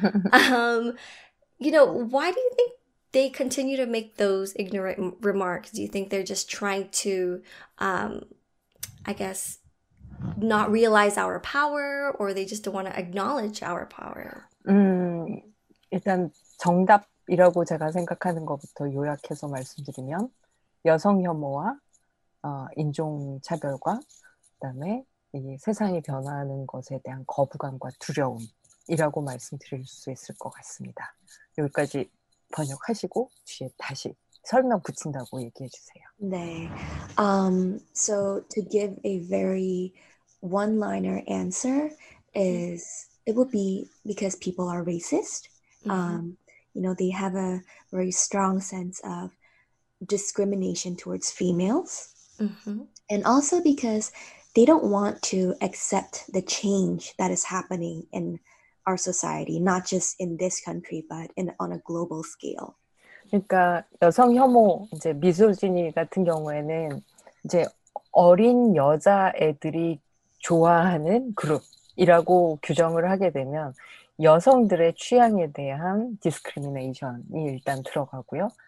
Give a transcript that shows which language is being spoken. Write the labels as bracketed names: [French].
[English] Why do you think they continue to make those ignorant remarks? Do you think they're just trying to, I guess, not realize our power, or they just don't want to acknowledge our power? [Korean] 일단 정답이라고 제가 생각하는 것부터 요약해서 말씀드리면, 여성 혐오와 인종 차별과 그다음에 이 세상이 변화하는 것에 대한 거부감과 두려움. 이라고 말씀드릴 수 있을 것 같습니다. 여기까지 번역하시고 뒤에 다시 설명 붙인다고 얘기해 주세요. 네. [English] So to give a very one-liner answer is It would be because people are racist. Mm-hmm. You know, they have a very strong sense of discrimination towards females. Mm-hmm. And also because they don't want to accept the change that is happening in our society, not just in this country, but on a global scale. [Korean] 그러니까 여성 혐오, 이제 미소지니 같은 경우에는 이제 어린 여자 애들이 좋아하는 그룹이라고 규정을 하게 되면 여성들의 취향에 대한 디스크리미네이션이 일단 들어가고요.